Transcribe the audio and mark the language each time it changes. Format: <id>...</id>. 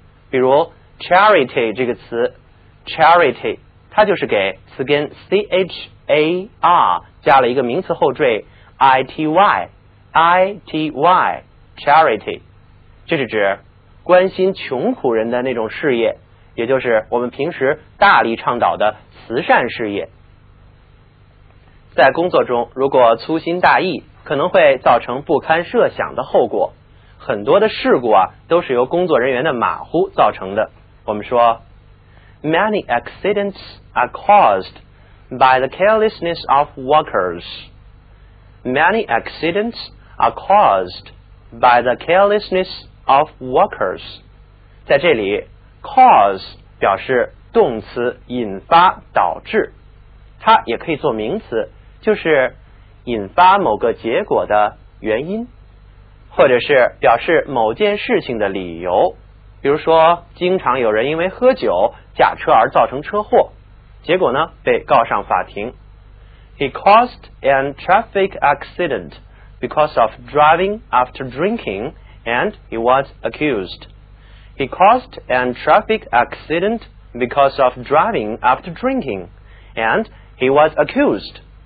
<zh>比如 charity 这个词 charity 它就是给词根 char 加了一个名词后缀 ity charity， 这是指关心穷苦人的那种事业，也就是我们平时大力倡导的慈善事业。在工作中如果粗心大意，可能会造成不堪设想的后果。很多的事故啊，都是由工作人员的马虎造成的。我们说</zh> <en>Many accidents are caused by the carelessness of workers. Many accidents are caused by the carelessness of workers.</en> <zh>在这里 cause 表示动词，引发、导致，它也可以做名词，就是引发某个结果的原因，或者是表示某件事情的理由。比如说经常有人因为喝酒驾车而造成车祸，结果呢被告上法庭。</zh> <en>He caused a traffic accident because of driving after drinking and he was accused. He caused a traffic accident because of driving after drinking and he was accused.</en>